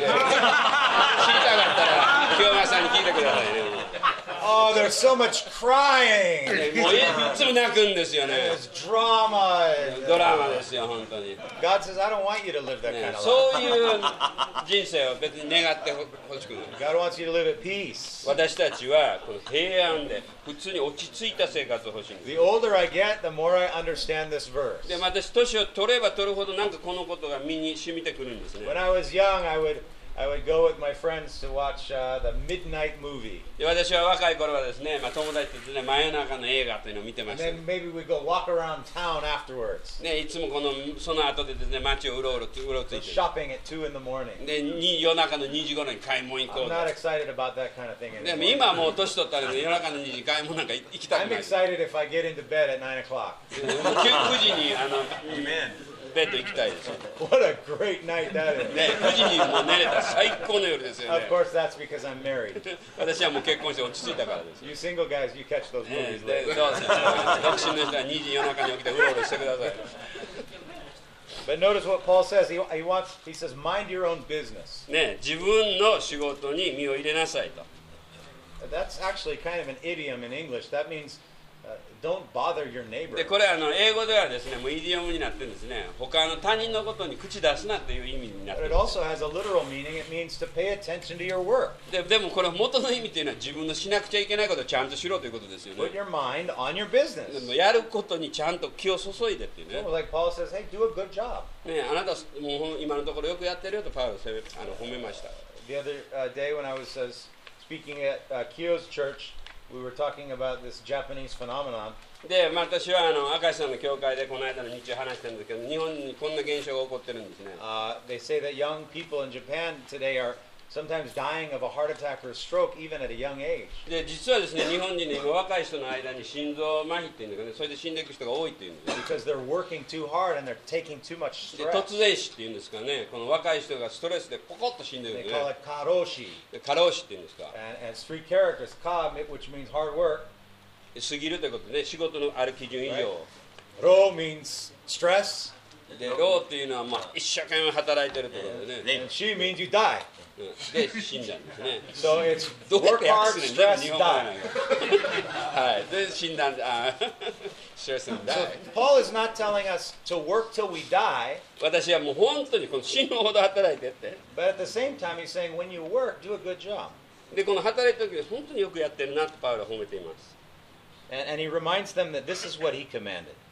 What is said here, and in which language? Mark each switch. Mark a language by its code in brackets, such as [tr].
[ja] 聞いたかったら、キヨマさんに聞いてくださいね。 [en] Oh, there's so much crying! [ja] もういつも泣くんですよね。 [en] There's drama! [ja] ドラマですよ、本当に。 [en] God says, I don't want you to live that kind of life. [ja] そういう人生を別に願ってほしくない。 [en] God wants you to live at peace. [ja] 私たちはこの平安で普通に落ち着いた生活を欲しいんです。 [en] The older I get, the more I understand this verse. [ja] でも私、年を取れば取るほどなんかこのことが身に染みてくるんですね。 [en] When I was young, I would go with my friends to watch the midnight movie. [ja] で、私は若い頃はですね、まあ、友達とですね、真夜中の映画というのを見てました。 [en] And then maybe we'd go walk around town afterwards. [ja] ね、いつもこのその後でですね、街をうろついて。 [en] So shopping at 2 in the morning. [ja] で、夜中の2時頃に買い物行こう。 [en] I'm not excited about that kind of thing anymore. [ja] でも今はもう年取ったので、夜中の2時買い物なんか行きたくない。 [en] I'm excited if I get into bed at 9 o'clock. [ja] 9時にあの。 [en] Amen. [ja] ベッド行きたいですよ。 [en] What a great night that is. [ja] ね、無事にもう寝れた最高の夜ですよね。 [en] Of course, that's because I'm married. [ja] 私はもう結婚して落ち着いたからです。 [en] You single guys, you catch those movies later. [ja] そうですね。独身の人は2時夜中に起きてうろうろしてください。 [en] But notice what Paul says. He says, mind your own business. [ja] ね、自分の仕事に身を入れなさいと。 [en] That's actually kind of an idiom in English. That means,don't bother your neighbor. [ja] で、これあの英語ではですね、もうイディオムになってるんですね。他の他人のことに口出すなという意味になってる。 [en] But it also has a literal meaning. It means to pay attention to your work. [ja] でもこの元の意味というのは自分のしなくちゃいけないことをちゃんとしろということですよね。 [en] Put your mind on your business. [ja] でもやることにちゃんと気を注いでっていうね。 [en] So like Paul says, hey, do a good job. [ja] ね、あなたもう今のところよくやってるよとパウロあの褒めました。 [en] The other day when I was speaking at Kyo's church,We were talking about this Japanese phenomenon. [ja] で、まあ、私はあの明石さんの教会でこの間の日中話してるんですけど、日本にこんな現象が起こってるんですね。 [en] They say that young people in Japan today are sometimes dying of a heart attack or a stroke even at a young age. [ja] で、実はですね、日本人の若い人の間に心臓麻痺っていうんですかね、それで死んでいく人が多いっていうんです。 [en] Because they're working too hard and they're taking too much stress. [ja] 突然死っていうんですかね、この若い人がストレスでポコッと死んでるんですね。 [en] They call it 過労死。 [ja] 過労死っていうんですか。 [en] And it's three characters, 過, which means hard work. [ja] 過ぎるということで、仕事のある基準以上。 [en] 労 means stress. [ja] で、ロっていうのはまあ一生懸命働いてるってことでね。 [en] 死 means you die. [ja] で、死んだんですね。 [en] So it's work hard, stress, die. [ja] はい、で、死んだんで、あ、 [en] stress and die. Paul is not telling us to work till we die. [ja] 私はもう本当にこの死ぬほど働いてって。 [en] But at the same time, he's saying when you work, do a good job. [ja] で、この働いてる時は本当によくやってるなってパウロは褒めています。 [en] And he reminds them that this is what he commanded.